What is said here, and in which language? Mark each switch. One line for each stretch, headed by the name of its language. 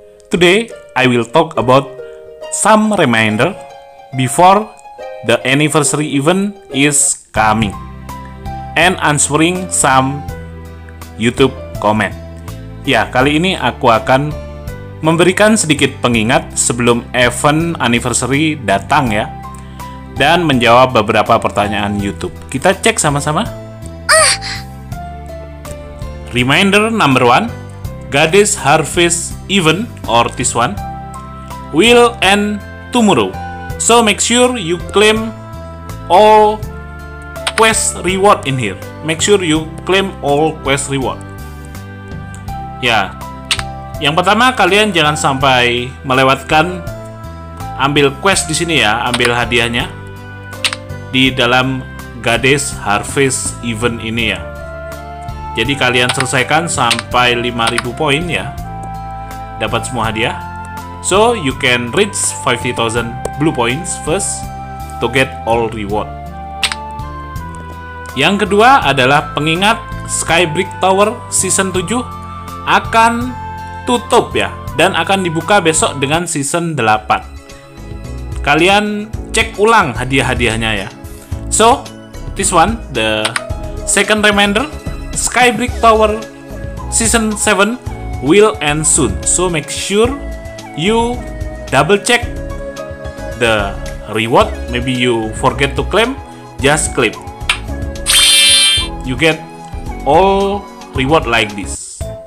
English: Today, I will talk about some reminder before the anniversary event is coming and answering some YouTube comment.
Indonesian: Ya, kali ini aku akan memberikan sedikit pengingat sebelum event anniversary datang ya, dan menjawab beberapa pertanyaan YouTube. Kita cek sama-sama.
English: Reminder number one, Goddess Harvest event or this one will end tomorrow. So make sure you claim all quest reward in here. Make sure you claim all quest reward.
Indonesian: Ya, yang pertama kalian jangan sampai melewatkan ambil quest di sini ya, ambil hadiahnya di dalam Goddess Harvest event ini ya. Jadi kalian selesaikan sampai 5000 poin ya, dapat semua hadiah.
English: So you can reach 50,000 blue points first to get all reward.
Indonesian: Yang kedua adalah pengingat Skybrick Tower season 7 akan tutup ya, dan akan dibuka besok dengan season 8. Kalian cek ulang hadiah-hadiahnya ya.
English: So this one, the second reminder, Skybrick Tower season 7 will end soon. So make sure you double check the reward. Maybe you forget to claim, just claim. You get all reward like this.